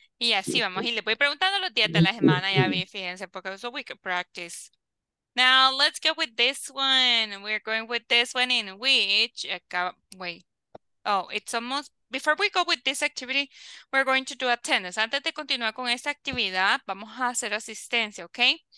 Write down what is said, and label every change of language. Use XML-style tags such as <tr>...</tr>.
<es>Y así vamos, y le voy preguntando los días de la semana, ya vi, fíjense, porque es</es> <en>a week of practice. Now, let's go with this one. We're going with this one in which, it's almost, before we go with this activity, we're going to do attendance.</en> <es>Antes de continuar con esta actividad, vamos a hacer asistencia, okay?</es>